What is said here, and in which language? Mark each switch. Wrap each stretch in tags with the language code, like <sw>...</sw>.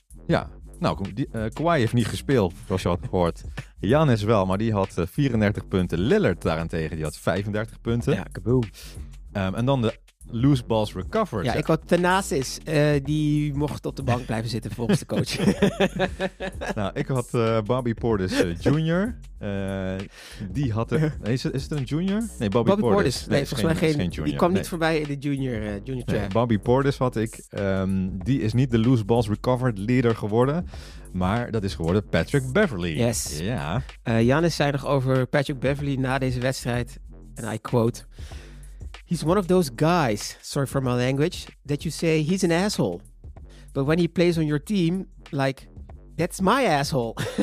<nl>Ja, nou, Kawhi heeft niet gespeeld, zoals je had gehoord. Giannis wel, maar die had 34 punten. Lillard daarentegen, die had 35 punten. Ja, kaboom. En dan de loose balls recovered. Ja, ik had Thanasis. Die mocht op de bank blijven zitten volgens de coach. Nou, ik had Bobby Portis Jr. Die had er... Is het een junior? Nee, Bobby Portis. Nee, volgens mij geen junior. Die kwam niet voorbij in de junior track. Nee, Bobby Portis had ik. Die is niet de loose balls recovered leader geworden. Maar dat is geworden Patrick Beverley.</nl> <en>Yes.</en> <nl>Ja. Giannis zei nog over Patrick Beverley na deze wedstrijd. En</nl> <en>I quote... He's one of those guys, sorry for my language, that you say he's an asshole. But when he plays on your team, like, that's my asshole.</en>